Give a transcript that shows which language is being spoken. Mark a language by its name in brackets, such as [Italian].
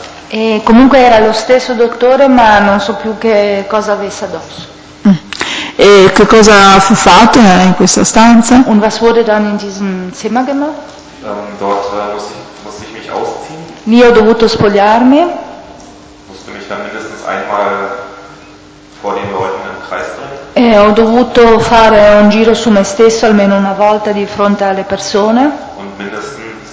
[Italian] E comunque era lo stesso dottore, ma non so più che cosa avesse addosso. E che cosa fu fatto in questa stanza? [German] Und was wurde dann in diesem Zimmer gemacht? Dort musste ich mich ausziehen. [Italian] Io ho dovuto spogliarmi. [German] Musste mich dann mindestens einmal vor den Leuten im Kreis drehen. [Italian] E ho dovuto fare un giro su me stesso almeno una volta di fronte alle persone.